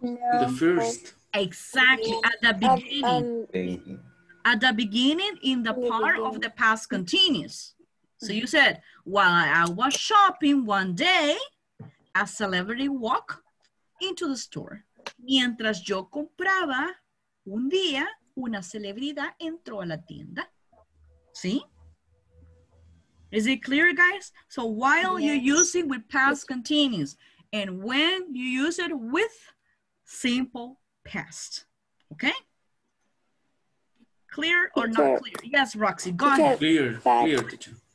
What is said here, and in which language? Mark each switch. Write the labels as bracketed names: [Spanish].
[English] No. The first. Exactly, at the beginning. At the beginning in the part of the past continuous. So you said, while I was shopping one day, a celebrity walked into the store. [Spanish] Mientras yo compraba, un día, una celebridad entró a la tienda. [English] ¿See? Is it clear, guys? So while yes. you use it with past continuous, and when you use it with simple past. Okay? Clear or teacher. Not clear? Yes, Roxy, go ahead. Clear, teacher.